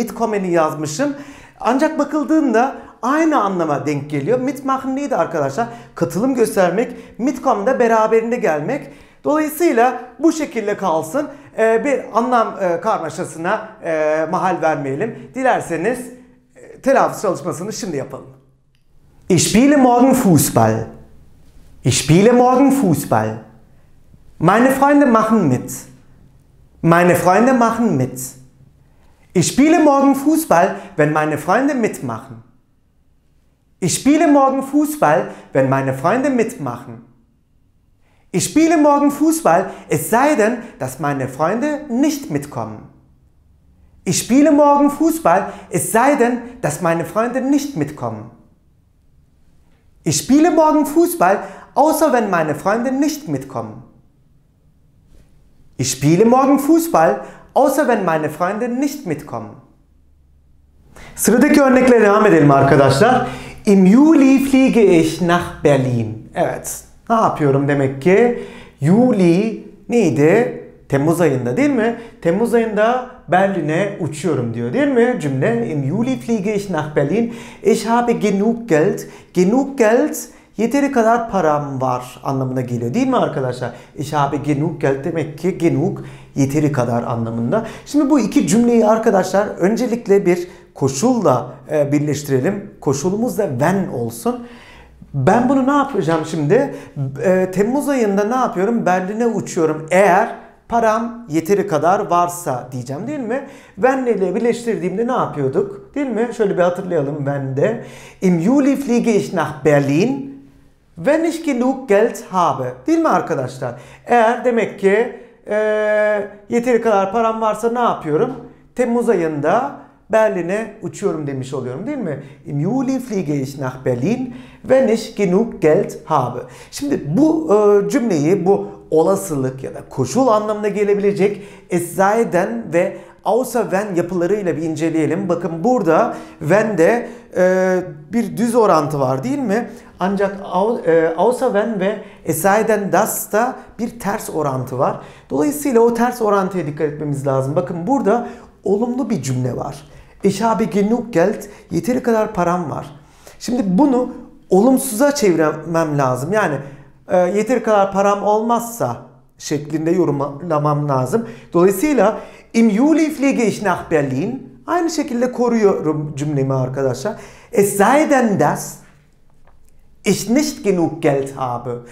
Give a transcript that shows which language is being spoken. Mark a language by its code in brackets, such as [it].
[tr] Mitkommen'i yazmışım. Ancak bakıldığında aynı anlama denk geliyor. Mitmachen neydi arkadaşlar? Katılım göstermek. Mitkommen de beraberinde gelmek. Dolayısıyla bu şekilde kalsın. Bir anlam karmaşasına mahal vermeyelim. Dilerseniz telaffuz çalışmasını şimdi yapalım. [de] Ich spiele morgen Fußball. Ich spiele morgen Fußball. Meine Freunde machen mit. Meine Freunde machen mit. Ich spiele morgen Fußball, wenn meine Freunde mitmachen. Ich spiele morgen Fußball, wenn meine Freunde mitmachen. Ich spiele morgen Fußball, es sei denn, dass meine Freunde nicht mitkommen. Ich spiele morgen Fußball, es sei denn, dass meine Freunde nicht mitkommen. Ich spiele morgen Fußball, außer wenn meine Freunde nicht mitkommen. Ich spiele morgen Fußball, außer wenn meine Freunde nicht mitkommen. [tr] Sıradaki örnekle devam edelim arkadaşlar. [de] Im Juli fliege ich nach Berlin. [tr] Evet, ne yapıyorum demek ki? Juli neydi? Temmuz ayında değil mi? Temmuz ayında Berlin'e uçuyorum diyor değil mi? [de] Cümle. Im Juli fliege ich nach Berlin. Ich habe genug Geld. Genug Geld [tr] yeteri kadar param var anlamına geliyor değil mi arkadaşlar? [de] Ich habe genug Geld [tr] demek ki genug yeteri kadar anlamında. Şimdi bu iki cümleyi arkadaşlar öncelikle bir koşulla birleştirelim. Koşulumuz da wenn olsun. Ben bunu ne yapacağım şimdi? Temmuz ayında ne yapıyorum? Berlin'e uçuyorum. Eğer param yeteri kadar varsa diyeceğim değil mi? Wenn ile birleştirdiğimde ne yapıyorduk? Değil mi? Şöyle bir hatırlayalım ben de. [de] Im Juli fliege ich nach Berlin, wenn ich genug Geld habe. [tr] Değil mi arkadaşlar? Eğer demek ki yeteri kadar param varsa ne yapıyorum? Temmuz ayında Berlin'e uçuyorum demiş oluyorum değil mi? [de] Im Juli fliege ich nach Berlin, wenn ich genug Geld habe. [tr] Şimdi bu cümleyi, bu olasılık ya da koşul anlamına gelebilecek es sei denn ve außer wenn yapılarıyla bir inceleyelim. Bakın burada wenn'de bir düz orantı var değil mi? Ancak außer wenn ve es sei denn das da bir ters orantı var. Dolayısıyla o ters orantıya dikkat etmemiz lazım. Bakın burada olumlu bir cümle var. [de] Ich habe genug Geld, [tr] yeteri kadar param var. Şimdi bunu olumsuza çevirmem lazım. Yani yeteri kadar param olmazsa şeklinde yorumlamam lazım. [de] Dolayısıyla im Juli fliege ich nach Berlin. [tr] Aynı şekilde koruyorum cümlemi arkadaşlar. [de] Es sei denn das ich nicht genug Geld habe.